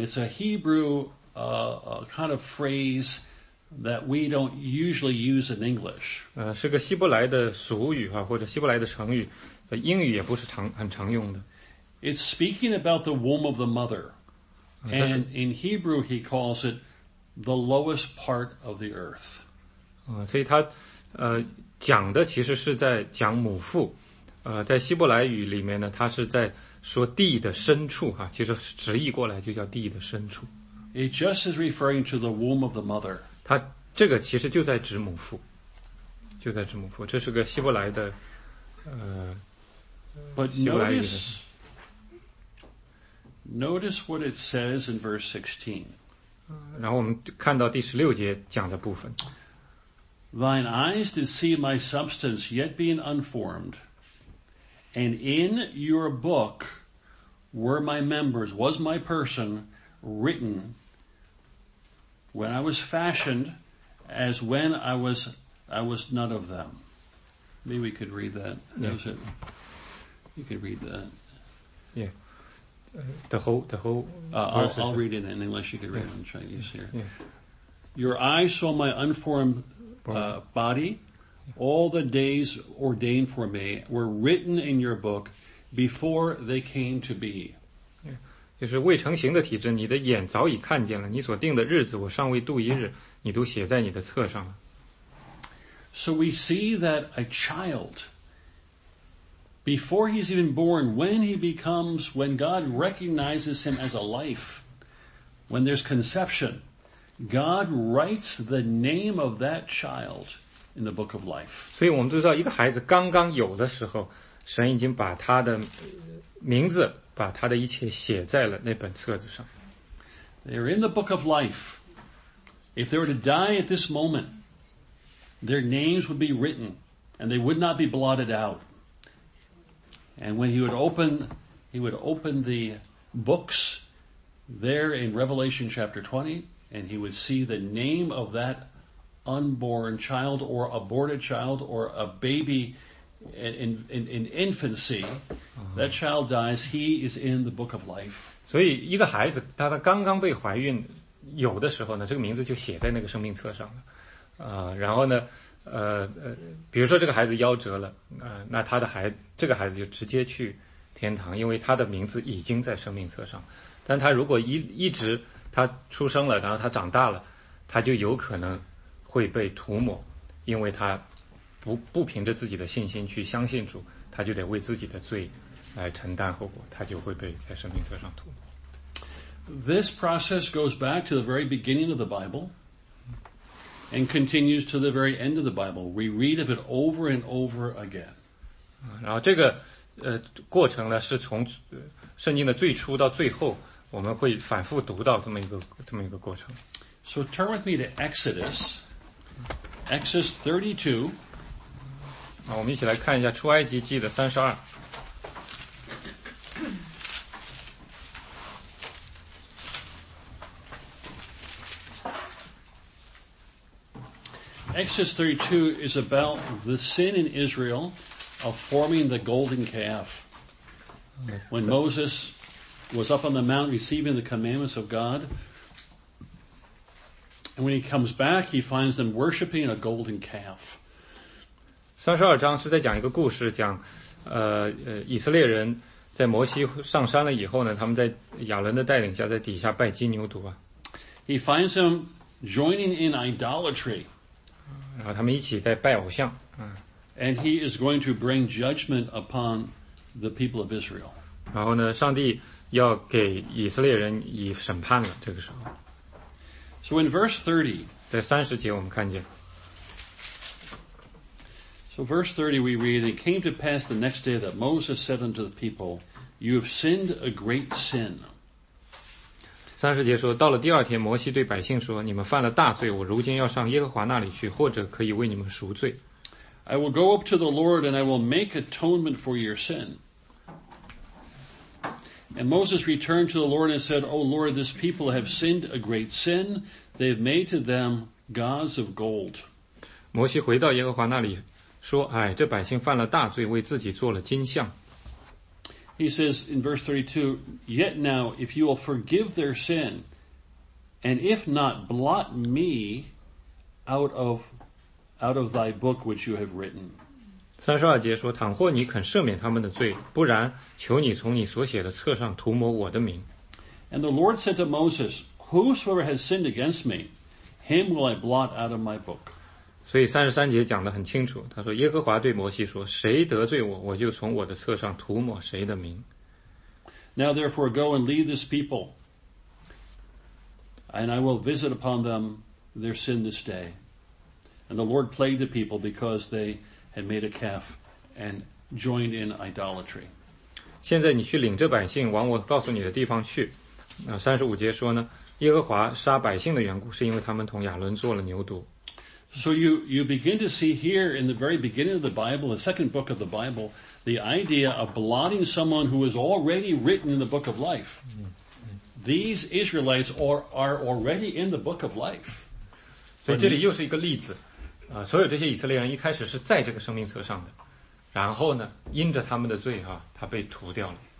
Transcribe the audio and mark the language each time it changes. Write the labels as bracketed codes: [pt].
[en] It's a Hebrew kind of phrase that we don't usually use in English. [zh] 是个希伯来的俗语啊，或者希伯来的成语。英语也不是很常用的。 [en] It's speaking about the womb of the mother. And in Hebrew, he calls it the lowest part of the earth. [zh] 所以他讲的其实是在讲母腹。在希伯来语里面呢，他是在说地的深处啊，其实直译过来就叫地的深处。 [en] It just is referring to the womb of the mother. [zh] 他这个其实就在指母腹。就在指母腹。这是个希伯来的 [en] But notice what it says in verse 16. [zh] 然后我们看到第十六节讲的部分。 [en] Thine eyes did see my substance yet being unformed, and in your book were my members, was my person written when I was fashioned as when I was none of them. Maybe we could read that. That was it. You could read that. Yeah. The whole I'll read it in English. You could read it in Chinese here. Yeah. Your eyes saw my unformed body. All the days ordained for me were written in your book before they came to be. Yeah. [zh] 就是未成形的体质，你的眼早已看见了。你所定的日子，我尚未度一日，你都写在你的册上了。 [en] So we see that a child... Before he's even born, when he becomes, when God recognizes him as a life, when there's conception, God writes the name of that child in the book of life. [zh] 所以我们都知道，一个孩子刚刚有的时候，神已经把他的名字，把他的一切写在了那本册子上。 [en] They're in the book of life. If they were to die at this moment, their names would be written, and they would not be blotted out. And when he would open the books there in Revelation chapter 20, and he would see the name of that unborn child or aborted child or a baby in infancy, that child dies, he is in the book of life. [zh] 所以一个孩子当他刚刚被怀孕有的时候呢，这个名字就写在那个生命册上了。然后呢比如说这个孩子夭折了，那他的孩子，这个孩子就直接去天堂，因为他的名字已经在生命册上。但他如果一直他出生了，然后他长大了，他就有可能会被涂抹，因为他不凭着自己的信心去相信主，他就得为自己的罪来承担后果，他就会被在生命册上涂抹。 [en] This process goes back to the very beginning of the Bible. And continues to the very end of the Bible. We read of it over and over again. [zh] 然后这个过程呢，是从圣经的最初到最后，我们会反复读到这么一个过程。 [en] So turn with me to Exodus 32. [zh] 我们一起来看一下出埃及记的三十二。 [en] Exodus 32 is about the sin in Israel of forming the golden calf. When Moses was up on the mount receiving the commandments of God, and when he comes back, he finds them worshiping a golden calf. [zh] 32章是在讲一个故事，讲以色列人在摩西上山了以后呢，他们在亚伦的带领下在底下拜金牛犊啊。 [en] He finds them joining in idolatry. [zh] 然后他们一起在拜偶像。 [en] And he is going to bring judgment upon the people of Israel. [zh] 然后呢，上帝要给以色列人以审判了，这个时候。 [en] So in verse 30, [zh] 在三十节我们看见。 [en] So verse 30 we read, It came to pass the next day that Moses said unto the people, You have sinned a great sin. [zh] 三十节说，到了第二天，摩西对百姓说，你们犯了大罪，我如今要上耶和华那里去，或者可以为你们赎罪。 [en] I will go up to the Lord and I will make atonement for your sin. And Moses returned to the Lord and said, O Lord, this people have sinned a great sin. They have made to them gods of gold. [zh] 摩西回到耶和华那里说，哎，这百姓犯了大罪，为自己做了金像。 [en] He says in verse 32, Yet now, if you will forgive their sin, and if not, blot me out of thy book which you have written. [zh] 三十二节说，倘或你肯赦免他们的罪，不然求你从你所写的册上涂抹我的名。 [en] And the Lord said to Moses, Whosoever has sinned against me, him will I blot out of my book. [zh] 所以三十三节讲得很清楚，他说耶和华对摩西说，谁得罪我，我就从我的册上涂抹谁的名。 [en] Now therefore go and lead this people, and I will visit upon them their sin this day. And the Lord plagued the people because they had made a calf and joined in idolatry. [zh] 现在你去领这百姓往我告诉你的地方去。 35节说呢，耶和华杀百姓的缘故是因为他们同亚伦做了牛犊。 [en] So you begin to see here in the very beginning of the Bible, the second book of the Bible, the idea of blotting someone who is already written in the book of life. These Israelites are already in the book of life. [zh] 所以这里又是一个例子，所有这些以色列人一开始是在这个生命册上的，然后呢，因着他们的罪他被涂掉了。